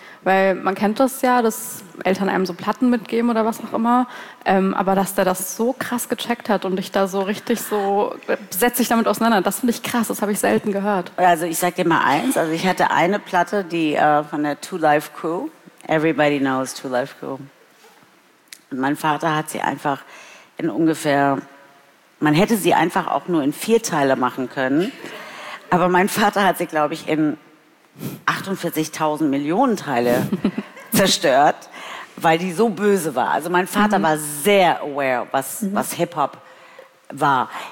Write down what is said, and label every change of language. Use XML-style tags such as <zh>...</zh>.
<de>Weil man kennt das ja, dass Eltern einem so Platten mitgeben oder was auch immer. Aber dass der das so krass gecheckt hat und dich da so richtig so, setzt sich damit auseinander. Das finde ich krass, das habe ich selten gehört. Also ich sage dir mal eins. Also ich hatte eine Platte, die von der Two Life Crew.</de> <en>Everybody knows Two Life Crew.</en> <de>Und mein Vater hat sie einfach in ungefähr, man hätte sie einfach auch nur in 4 Teile machen können. Aber mein Vater hat sie, glaube ich, in 48.000 Millionen Teile zerstört, weil die so böse war. Also mein Vater war sehr aware, was Hip-Hop war.</de>